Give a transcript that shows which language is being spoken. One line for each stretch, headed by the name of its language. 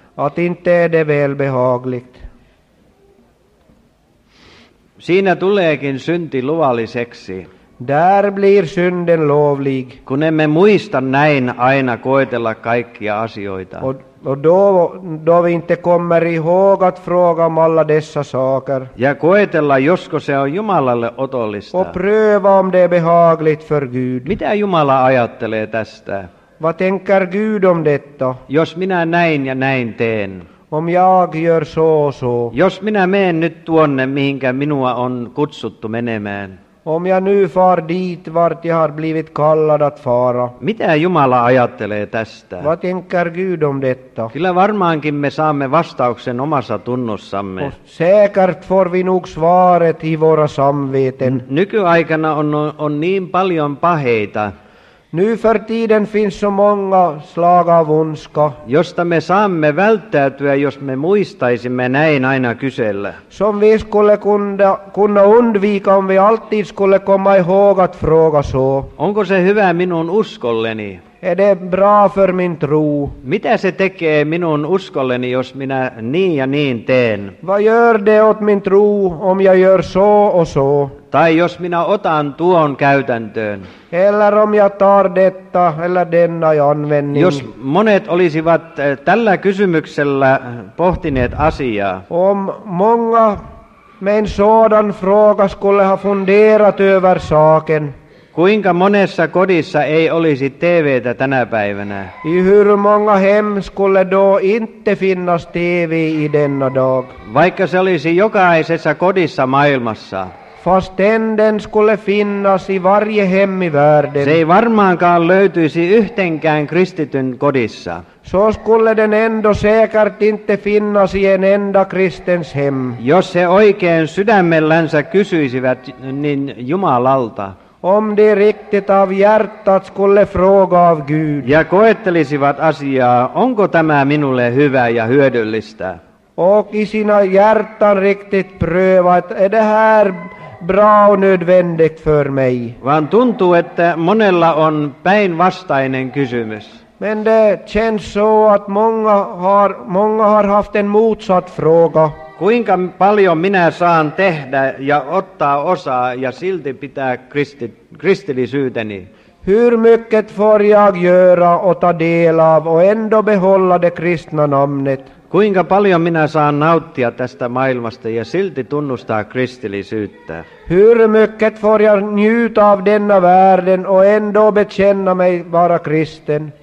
Swedish: Att inte är det väl behagligt.
Finnish: Siinä tuleekin synti luvalliseksi.
Swedish: Där blir synden lovlig.
Finnish: Kun emme muista näin aina koetella kaikkia asioita.
Swedish: Då vi inte kommer ihåg att fråga om alla dessa saker.
Finnish: Ja koetella, josko se on Jumalalle otollista.
Swedish: Och pröva om det är behagligt för Gud.
Finnish: Mitä Jumala ajattelee tästä?
Swedish: Vad tänker Gud om detta?
Finnish: Jos minä näin ja näin teen.
Swedish: Om jag gör så och så.
Finnish: Jos minä menen nyt tuonne, mihinkä minua on kutsuttu menemään.
Swedish: Om jag nu far dit, vart jag har blivit kallad att fara.
Finnish: Mitä Jumala ajattelee tästä?
Swedish: Vad tänker Gud om detta?
Finnish: Kyllä varmaankin me saamme vastauksen omassa tunnossamme.
Swedish: Säkert får vi nog svaret i våra samveten.
Finnish: Nykyaikana on niin paljon paheita.
Swedish: Nu för tiden finns så många slag av ondska.
Finnish: Josta me saamme välttäytyä, jos me muistaisimme näin aina kysellä.
Swedish: Som vi skulle kunna undvika om vi alltid skulle komma ihåg att fråga så.
Finnish: Onko se hyvä minun uskolleni?
Swedish: Är det bra för min tro?
Finnish: Mitä se tekee minun uskolleni, jos minä niin ja niin teen?
Swedish: Vad gör det åt min tro om jag gör så och så?
Finnish: Tai jos minä otan tuon käytäntöön.
Swedish: Eller om jag tar detta eller denna i användning.
Finnish: Jos monet olisivat tällä kysymyksellä pohtineet asiaa.
Swedish: Om många med en sådan fråga skulle ha funderat över saken.
Finnish: Kuinka monessa kodissa ei olisi TV:tä tänä päivänä?
Swedish: I hur många hem skulle då inte finnas TV i denna dag?
Finnish: Vaikka se olisi jokaisessa kodissa maailmassa.
Swedish: Fastän den skulle finnas i varje hem i världen.
Finnish: Se ei varmaankaan löytyisi yhtenkään kristityn kodissa.
Swedish: Så skulle den ändå säkert inte finnas i en enda kristens hem.
Finnish: Jos he oikein sydämellänsä kysyisivät niin Jumalalta.
Swedish: Om de riktigt av hjärtat skulle fråga av Gud.
Finnish: Ja koettelisivat asiaa, onko tämä minulle hyvä ja hyödyllistä.
Swedish: Och i sina hjärtan riktigt pröva, att är det här bra och nödvändigt för mig.
Finnish: Vaan tuntuu, että monella on päinvastainen kysymys.
Swedish: Men det känns så att många har haft en motsatt fråga.
Finnish: Kuinka paljon minä saan tehdä ja ottaa osaa ja silti pitää kristillisyyteni?
Swedish: Hur mycket får jag göra och ta del av och ändå behålla det kristna namnet?
Finnish: Kuinka paljon minä saan nauttia tästä maailmasta ja silti tunnustaa kristillisyyttä?
Swedish: Hur mycket får jag njuta av denna världen och ändå bekänna mig vara kristen?